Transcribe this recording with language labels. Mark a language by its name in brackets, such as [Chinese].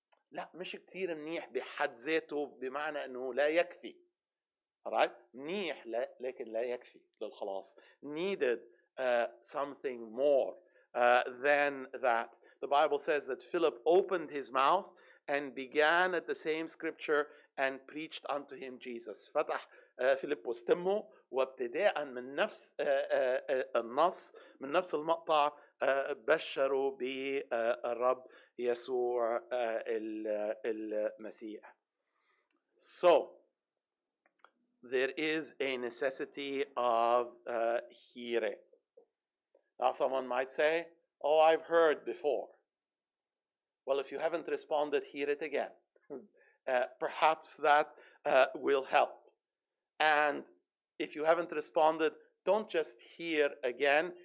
[Arabic] لا مش كتير منيح بحد ذاته بمعنى انه لا يكفي. [English] Right? [Arabic] منيح لا لكن لا يكفي للخلاص. [English] Needed something more than that. The Bible says that Philip opened his mouth and began at the same scripture and preached unto him Jesus. [Arabic] فتح فيليب وستمه وابتداء من نفس النص من نفس المقطع بشروا بالرب يسوع المسيح. [English] So there is a necessity of hearing. Now someone might say, oh, I've heard before. Well, if you haven't responded, hear it again. Perhaps that will help. And if you haven't responded, don't just hear again.